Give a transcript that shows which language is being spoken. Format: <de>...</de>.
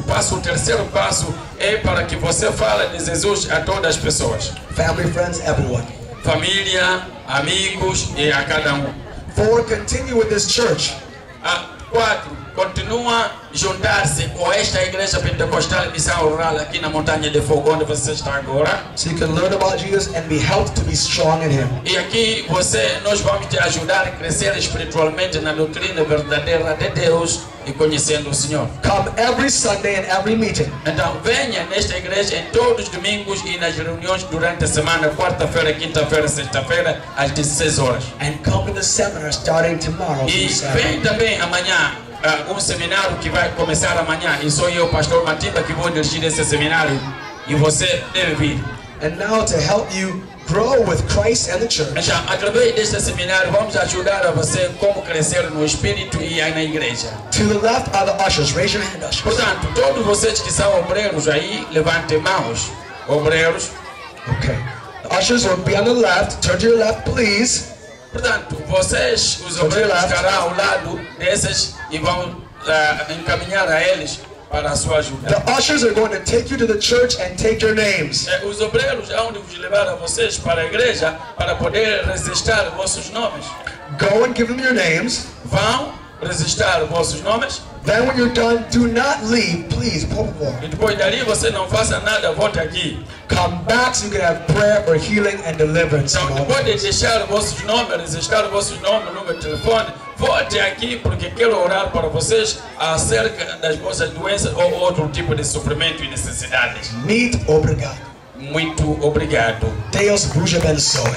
<pt>O terceiro passo é para que você fale de Jesus a todas as pessoas.</pt> <en>Family, friends, everyone.</en> <pt>Família, amigos e a cada um.</pt> <en>Four, continue with this church.</en> <pt>Quatro, continua juntar-se com esta igreja pentecostal e missão rural aqui na montanha de fogo onde você está agora.</pt> <en>So you can learn about Jesus and be helped to be strong in Him.</en> <pt>E aqui você, nós vamos te ajudar a crescer espiritualmente na doutrina verdadeira de Deus e conhecendo o Senhor.</pt> <en>Come every Sunday and every meeting.</en> <pt>Então venha nesta igreja em todos os domingos e nas reuniões durante a semana, quarta-feira, quinta-feira, sexta-feira, às 16 horas.</pt> <en>And come to the seminar starting tomorrow.</en> <pt>E vem também amanhã. Seminário que vai começar amanhã e sou eu, pastor Matiba, que vou dirigir esse seminário e você deve vir.</pt> <en>And now to help you grow with Christ and the church.</en> <pt>Então, através deste seminário vamos ajudar a você como crescer no espírito e aí na igreja.</pt> <en>To the left are the ushers. Raise your hand, ushers.</en> <pt>Portanto, todos vocês que são obreiros aí, levantem mãos, obreiros.</pt> <en>Okay. The ushers will be on the left. Turn to your left, please.</en> <pt>Portanto, vocês, os obreiros, estarão ao lado desses e vão encaminhar a eles para a sua ajuda.</pt> <en>The ushers are going to take you to the church and take your names.</en> <pt>Os obreiros vão vos levar a vocês para a igreja para poder registrar vossos nomes.</pt> <en>Go and give them your names.</en> <pt>Vão registrar vossos nomes.</pt> <en>Then when you're done, do not leave, please,</en> <pt>por favor. E depois dali você não faça nada, volte aqui.</pt> <en>Come back so you can have prayer or healing and deliverance.</en> <pt>Então, depois de deixar vossos nomes, registrar vossos nomes no meu telefone, volte aqui porque quero orar para vocês acerca das vossas doenças ou outro tipo de sofrimento e necessidades. Muito obrigado. Muito obrigado. Deus vos abençoe.</pt>